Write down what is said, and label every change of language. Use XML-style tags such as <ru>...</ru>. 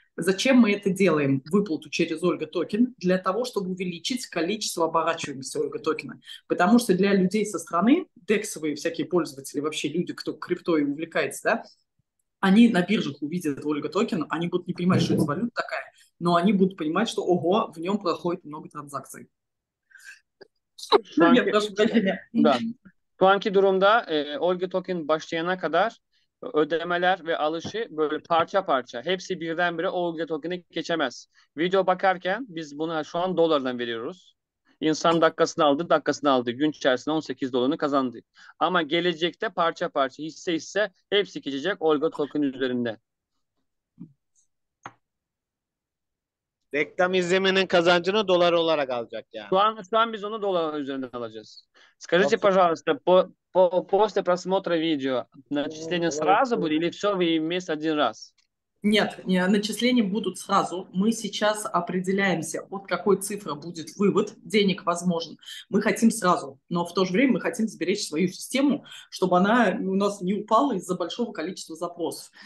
<ru>Зачем мы это делаем? Выплату через Ольга токен для того, чтобы увеличить количество оборачиваемости Ольга токена. Потому что для людей со стороны, дексовые всякие пользователи, вообще люди, кто криптой увлекается, да, они на биржах увидят Ольга токен, они будут не понимать, что это валюта такая, но они будут понимать, что ого, в нем проходит много транзакций. Я</ru> <tr>Şu</tr> <ru>прошу прощения.</ru> <tr>anki, da. Şu anki durumda Olga Token başlayana kadar ödemeler ve alışı böyle parça parça hepsi birdenbire Olga Token'e geçemez. Video bakarken biz bunu şu an dolardan veriyoruz. İnsan dakikasını aldı, dakikasını aldı. Gün içerisinde 18 dolarını kazandı. Ama gelecekte parça parça hisse hisse hepsi geçecek Olga Token üzerinde. Reklam izleminin kazancını dolar olarak alacak yani. Şu an biz onu dolar üzerinden alacağız.</tr> <ru>Скажите,</ru> <tr>Çok</tr> <ru>пожалуйста, после просмотра видео начисления</ru> <tr>süper.</tr> <ru>сразу будет или все вы вместе один раз? Нет, начисления будут сразу. Мы сейчас определяемся, от какой цифры будет вывод денег возможен. Мы хотим сразу, но в то же время мы хотим сберечь свою систему, чтобы она у нас не упала из-за большого количества запросов.</ru>